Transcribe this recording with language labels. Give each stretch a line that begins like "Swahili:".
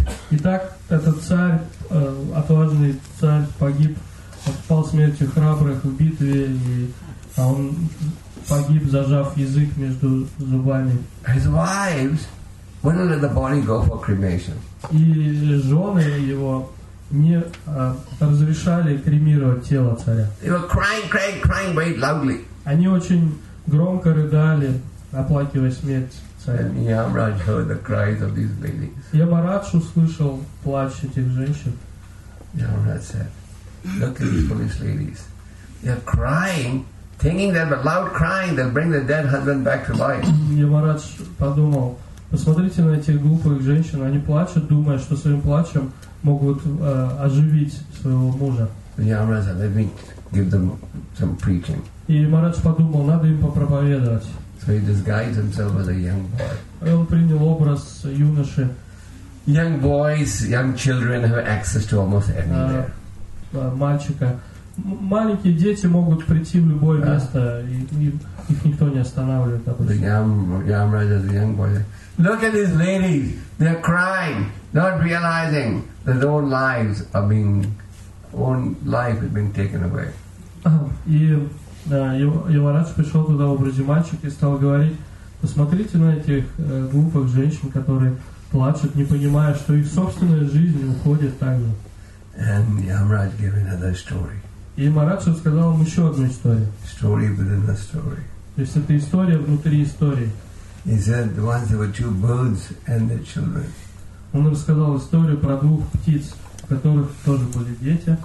Russian: Итак, этот царь, отважный царь, погиб, пал смертью храбрых в битве, и он погиб, зажав язык между зубами.
English: His wives wouldn't let the body go for cremation.
Russian: И жены его не разрешали кремировать тело царя.
English: They were crying very loudly.
Russian: Они очень громко рыдали, оплакивая смерть царя.
English: Yamaraj heard the cries of these ladies.
Russian: Yamaraj услышал плач этих женщин.
English: Yamaraj said, "Look at these foolish ladies. They are crying, thinking that a loud crying they'll bring the dead husband back to life."
Russian: Yamaraj подумал: "Посмотрите на этих глупых женщин. Они плачут, думая, что своим плачем могут оживить своего мужа."
English: Yamaraj, let me give them some preaching.
Russian: И Yamaraj подумал, надо им попроповедовать.
English: So he disguised himself as a young boy.
Russian: И он принял образ юноши.
English: Young boys, young children have access to almost anywhere.
Russian: Мальчика. Маленькие дети могут прийти в любое место, и их никто не останавливает.
English: Yamaraj as a young boy. Look at these ladies, they are crying, not realizing that their own life is being taken away.
Russian: И Yamaraj пришел туда в образе мальчика и стал говорить: "Посмотрите на этих глупых женщин, которые плачут, не понимая, что их собственная жизнь уходит так же."
English: And Yamaraj gave another story.
Russian: И Yamaraj рассказал им еще одну историю.
English: Story within a story.
Russian: То есть это история внутри истории.
English: He said once there were two birds and their children.
Russian: Он рассказал историю про двух птиц, у которых тоже были дети.